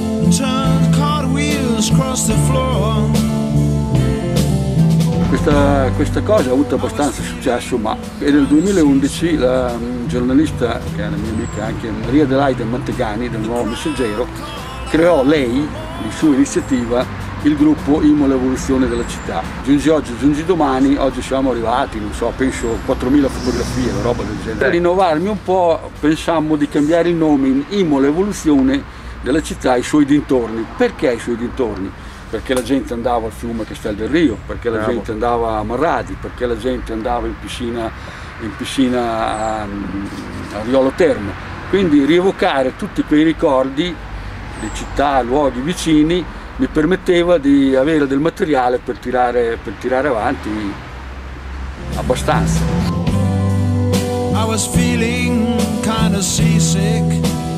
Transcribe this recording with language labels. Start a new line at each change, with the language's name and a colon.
English: Turn cartwheels across the floor.
Italian: Questa cosa ha avuto abbastanza successo, ma è nel 2011 la giornalista, che è una mia amica anche, Maria Adelaide Mantegani, del Nuovo Messaggero, creò lei, di sua iniziativa, il gruppo Imola Evoluzione della Città. Giungi oggi, giungi domani, oggi siamo arrivati, non so, penso 4.000 fotografie, una roba del genere. Per rinnovarmi un po', pensammo di cambiare il nome in Imola Evoluzione della Città e i suoi dintorni. Perché i suoi dintorni? Perché la gente andava al fiume Castel del Rio, perché la gente andava a Marradi, perché la gente andava in piscina a Riolo Terme. Quindi rievocare tutti quei ricordi di città, luoghi vicini, mi permetteva di avere del materiale per tirare avanti abbastanza.
English: I was feeling kind of seasick.